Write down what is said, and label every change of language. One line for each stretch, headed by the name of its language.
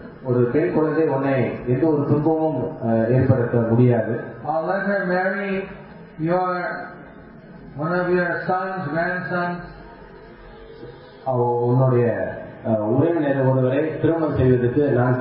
Tamil: ஒரு பெண் குழந்தை உன்னை எந்த ஒரு துன்பமும் ஏற்படுத்த முடியாது.
English: I'll let her marry your one of your sons, grandsons.
Tamil: உன்னுடைய உறவினர் ஒருவரை திருமணம் செய்வதற்கு நான்